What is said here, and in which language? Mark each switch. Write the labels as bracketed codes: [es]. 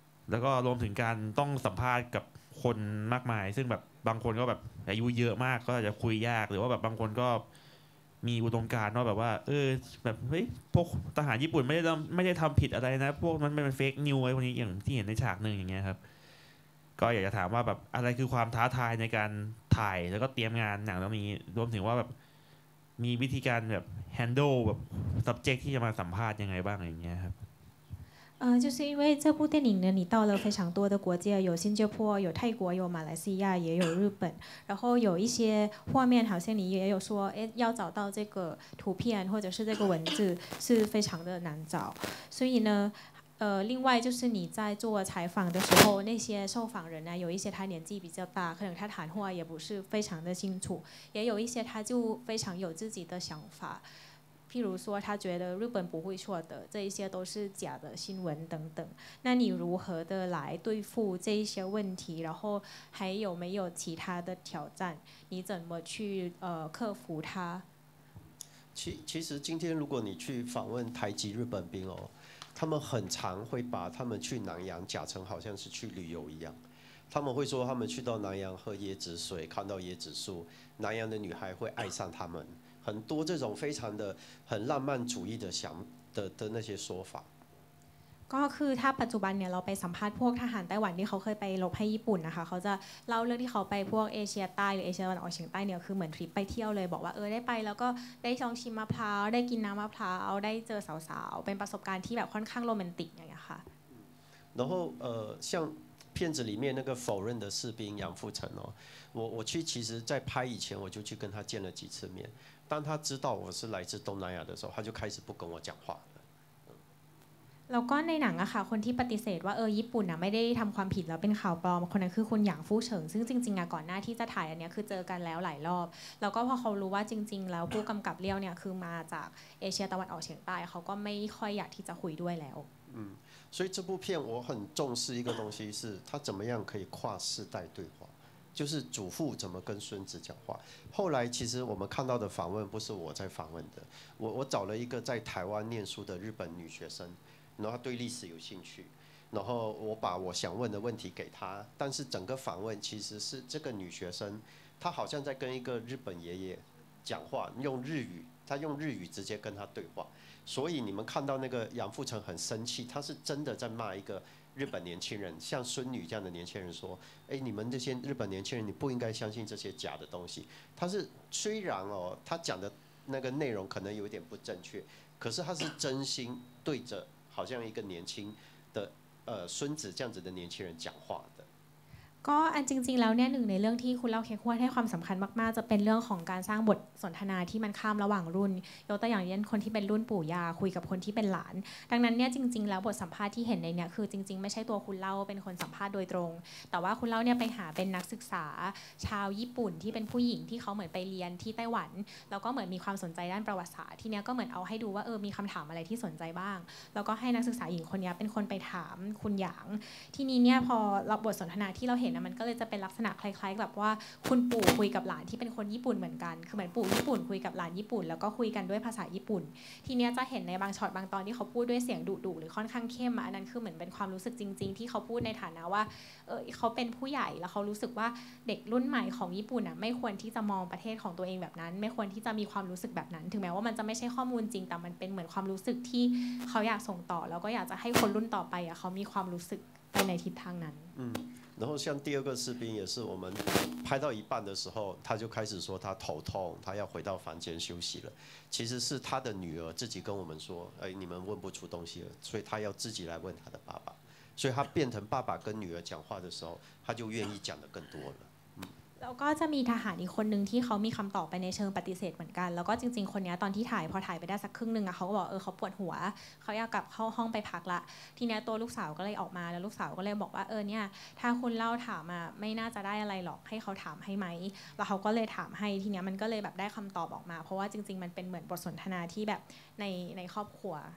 [th] แล้วก็รวมถึงการต้องสัมภาษณ์กับคนมากมายซึ่งแบบบางคนก็แบบอายุเยอะมากก็อาจจะคุยยากหรือว่าแบบบางคนก็มีอุดมการณ์ว่าแบบว่าเออแบบเฮ้ยพวกทหารญี่ปุ่นไม่ได้ทำผิดอะไรนะพวกมันเป็นเฟกนิวอะไรพวกนี้อย่างที่เห็นในฉากหนึ่งอย่างเงี้ยครับก็อยากจะถามว่าแบบอะไรคือความท้าทายในการถ่ายแล้วก็เตรียมงานหนังแล้วมีรวมถึงว่าแบบมีวิธีการแบบ handle แบบ subject ที่จะมาสัมภาษณ์ยังไงบ้างอย่างเงี้ยครับ [zh] 就是因为这部电影呢，你到了非常多的国家，有新加坡，有泰国，有马来西亚，也有日本。然后有一些画面，好像你也有说，哎，要找到这个图片或者是这个文字是非常的难找。所以呢。另外就是你在做采访的时候，那些受访人呢，有一些他年纪比较大，可能他谈话也不是非常的清楚，也有一些他就非常有自己的想法，譬如说他觉得日本不会错的，这一些都是假的新闻等等。那你如何的来对付这一些问题？然后还有没有其他的挑战？你怎么去克服它？其实今天如果你去访问台籍日本兵哦。他们很常会把他们去南洋假成好像是去旅游一样，他们会说他们去到南洋喝椰子水，看到椰子树，南洋的女孩会爱上他们，很多这种非常的很浪漫主义的想的那些说法。 [th] ก็คือถ้าปัจจุบันเนี่ยเราไปสัมภาษณ์พวกทหารไต้หวันที่เขาเคยไปรบให้ญี่ปุ่นนะคะเขาจะเล่าเรื่องที่เขาไปพวกเอเชียใต้หรือเอเชียตะวันออกเฉียงใต้เนี่ยคือเหมือนทริปไปเที่ยวเลยบอกว่าได้ไปแล้วก็ได้ลองชิมมะพร้าวได้กินน้ำมะพร้าวได้เจอสาวๆเป็นประสบการณ์ที่แบบค่อนข้างโรแมนติกอย่างเงี้ยค่ะ [zh] 然后像片子里面那个否认的士兵杨富成哦我去其实在拍以前我就去跟他见了几次面当他知道我是来自东南亚的时候他就开始不跟我讲话 [th] แล้วก็ในหนังอะค่ะคนที่ปฏิเสธว่าญี่ปุ่นอะไม่ได้ทำความผิดแล้วเป็นข่าวปลอมคนนั้นคือคุณหยางฟู่เฉิงซึ่งจริงๆอะก่อนหน้าที่จะถ่ายอันนี้คือเจอกันแล้วหลายรอบแล้วก็พอเขารู้ว่าจริงๆแล้วผู้กำกับเลี่ยวเนี่ยคือมาจากเอเชียตะวันออกเฉียงใต้เขาก็ไม่ค่อยอยากที่จะคุยด้วยแล้ว [zh] อืม所以这部片我很重视一个东西是他怎么样可以跨世代对话就是祖父怎么跟孙子讲话后来其实我们看到的访问不是我在访问的我找了一个在台湾念书的日本女学生然后他对历史有兴趣然后我把我想问的问题给他但是整个访问其实是这个女学生她好像在跟一个日本爷爷讲话用日语她用日语直接跟他对话所以你们看到那个杨富成很生气他是真的在骂一个日本年轻人像孙女这样的年轻人说哎，你们这些日本年轻人你不应该相信这些假的东西他是虽然哦，他讲的那个内容可能有点不正确可是他是真心对着好像一个年轻的孙子这样子的年轻人讲话的 [th] ก็อันจริงๆแล้วเนี่ยหนึ่งในเรื่องที่คุณเล่าเคควรให้ความสำคัญมากๆจะเป็นเรื่องของการสร้างบทสนทนาที่มันข้ามระหว่างรุ่นยกตัวอย่างเช่นคนที่เป็นรุ่นปู่ย่าคุยกับคนที่เป็นหลานดังนั้นเนี่ยจริงๆแล้วบทสัมภาษณ์ที่เห็นในเนี่ยคือจริงๆไม่ใช่ตัวคุณเล่าเป็นคนสัมภาษณ์โดยตรงแต่ว่าคุณเล่าเนี่ยไปหาเป็นนักศึกษา ชาวญี่ปุ่นที่เป็นผู้หญิงที่เขาเหมือนไปเรียนที่ไต้หวันแล้วก็เหมือนมีความสนใจด้านประวัติศาสตร์ทีเนี้ยก็เหมือนเอาให้ดูว่ามีคำถามอะไรที่สนใจบ้างแล้วก็ให้นักศึกษาหญิงคนนี้เป็นคนไปถามคุณหยางที่นี้เนี่ยพอรับบทสนทนาที่เราเห็นนะมันก็เลยจะเป็นลักษณะคล้ายๆกับว่าคุณปู่คุยกับหลานที่เป็นคนญี่ปุ่นเหมือนกันคือเหมือนปู่ญี่ปุ่นคุยกับหลานญี่ปุ่นแล้วก็คุยกันด้วยภาษาญี่ปุ่นทีเนี้ยจะเห็นในบางช็อตบางตอนที่เขาพูดด้วยเสียงดุๆหรือค่อนข้างเข้มอันนั้นคือเหมือนเป็นความรู้สึกจริงๆที่เขาพูดในฐานะว่า เขาเป็นผู้ใหญ่แล้วเขารู้สึกว่าเด็กรุ่นใหม่ของญี่ปุ่นอ่ะไม่ควรที่จะมองประเทศของตัวเองแบบนั้นไม่ควรที่จะมีความรู้สึกแบบนั้นถึงแม้ว่ามันจะไม่ใช่ข้อมูลจริงแต่มันเป็นเหมือนความรู้สึกที่เขาอยากส่งต่อแล้วก็อยากจะให้คนรุ่นต่อไปอ่ะเขามีความรู้สึกไปในทิศทางนั้น [zh] 然后像第二个士兵也是我们拍到一半的时候他就开始说他头痛他要回到房间休息了其实是他的女儿自己跟我们说哎，你们问不出东西了所以他要自己来问他的爸爸所以他变成爸爸跟女儿讲话的时候他就愿意讲的更多了 [th] แล้วก็จะมีทหารอีกคนนึงที่เขามีคำตอบไปในเชิงปฏิเสธเหมือนกันแล้วก็จริงๆคนนี้ตอนที่ถ่ายพอถ่ายไปได้สักครึ่งนึงอะเขาก็บอกเขาปวดหัวเขาอยากกลับเข้าห้องไปพักละทีนี้ตัวลูกสาวก็เลยออกมาแล้วลูกสาวก็เลยบอกว่าเนี่ยถ้าคุณเล่าถามอะไม่น่าจะได้อะไรหรอกให้เขาถามให้ไหมแล้วเขาก็เลยถามให้ทีนี้มันก็เลยแบบได้คำตอบออกมาเพราะว่าจริงๆมันเป็นเหมือนบทสนทนาที่แบบในครอบครัว